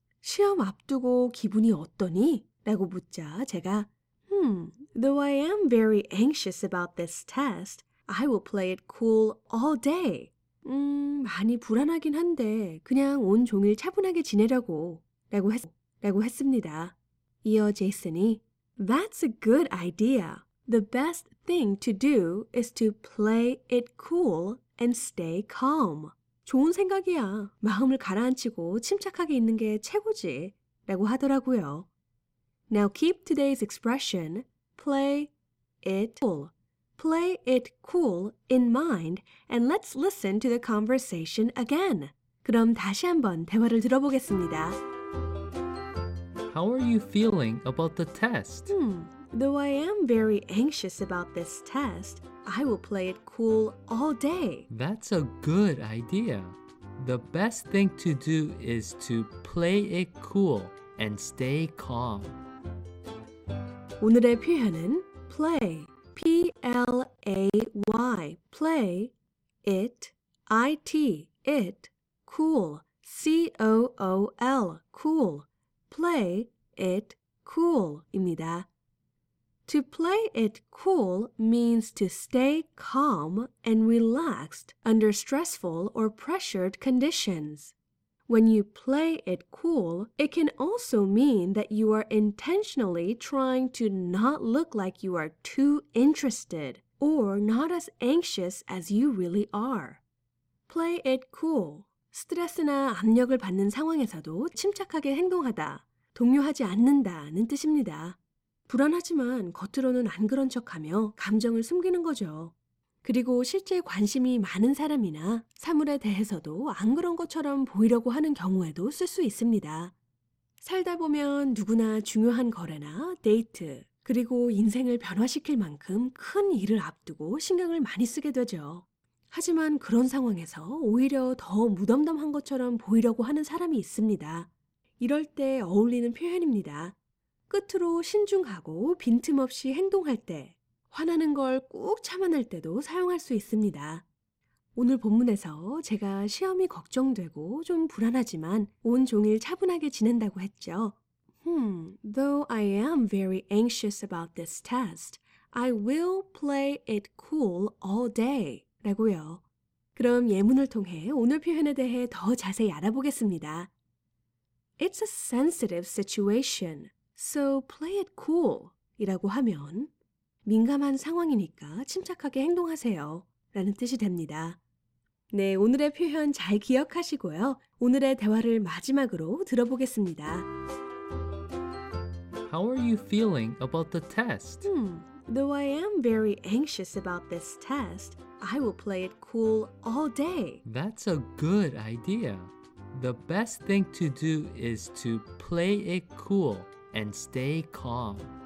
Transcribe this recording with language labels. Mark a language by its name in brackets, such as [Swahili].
[Korean] 시험 앞두고 기분이 어떠니? 라고 묻자 제가 [English] Though I am very anxious about this test, I will play it cool all day. [Korean] 많이 불안하긴 한데 그냥 온 종일 차분하게 지내려고 라고 했습니다. 이어 제이슨이 [English] That's a good idea. The best thing to do is to play it cool and stay calm. [Korean] 좋은 생각이야. 마음을 가라앉히고 침착하게 있는 게 최고지 라고 하더라고요. [English] Now keep today's expression, play it cool. Play it cool in mind, and let's listen to the conversation again. [Korean] 그럼 다시 한번 대화를 들어보겠습니다. [English] How are you feeling about the test? Though I am very anxious about this test, I will play it cool all day. That's a good idea. The best thing to do is to play it cool and stay calm. [Korean] 오늘의 표현은 play, P-L-A-Y, play, it, it, cool, C-O-O-L, cool, play it cool입니다. [English] To play it cool means to stay calm and relaxed under stressful or pressured conditions. When you play it cool, it can also mean that you are intentionally trying to not look like you are too interested or not as anxious as you really are. Play it cool. [Korean] 스트레스나 압력을 받는 상황에서도 침착하게 행동하다, 동요하지 않는다는 뜻입니다. 불안하지만 겉으로는 안 그런 척하며 감정을 숨기는 거죠. 그리고 실제 관심이 많은 사람이나 사물에 대해서도 안 그런 것처럼 보이려고 하는 경우에도 쓸 수 있습니다. 살다 보면 누구나 중요한 거래나 데이트, 그리고 인생을 변화시킬 만큼 큰 일을 앞두고 신경을 많이 쓰게 되죠. 하지만 그런 상황에서 오히려 더 무덤덤한 것처럼 보이려고 하는 사람이 있습니다. 이럴 때 어울리는 표현입니다. 끝으로 신중하고 빈틈없이 행동할 때, 화나는 걸 꾹 참아낼 때도 사용할 수 있습니다. 오늘 본문에서 제가 시험이 걱정되고 좀 불안하지만 온종일 차분하게 지낸다고 했죠. [English] Though I am very anxious about this test, I will play it cool all day. [Korean] 라고요. 그럼 예문을 통해 오늘 표현에 대해 더 자세히 알아보겠습니다. [English] It's a sensitive situation, so play it cool. [Korean] 이라고 하면 민감한 상황이니까 침착하게 행동하세요. 라는 뜻이 됩니다. 네, 오늘의 표현 잘 기억하시고요. 오늘의 대화를 마지막으로 들어보겠습니다. [English] How are you feeling about the test? Though I am very anxious about this test, I will play it cool all day. That's a good idea. The best thing to do is to play it cool and stay calm.